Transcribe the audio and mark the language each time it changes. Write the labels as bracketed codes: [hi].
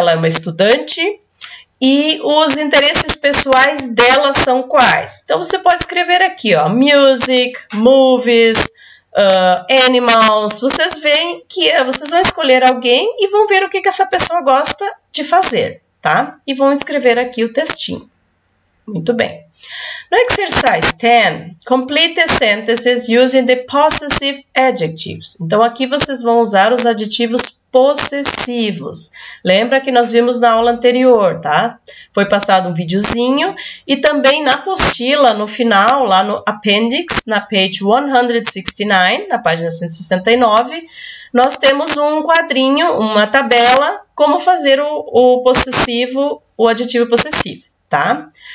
[pt] Ela é uma estudante. E os interesses pessoais dela são quais? Então, você pode escrever aqui, ó: [en] music, movies, animals. [pt] Vocês veem que vocês vão escolher alguém e vão ver o que que essa pessoa gosta de fazer. Tá? E vão escrever aqui o textinho. Muito bem. [en] No exercise 10, complete the sentences using the possessive adjectives. [pt] Então, aqui vocês vão usar os adjetivos possessivos. Lembra que nós vimos na aula anterior, tá? Foi passado um videozinho. E também na apostila, no final, lá no appendix, na page 169, na página 169, nós temos um quadrinho, uma tabela, como fazer o possessivo, o adjetivo possessivo, tá?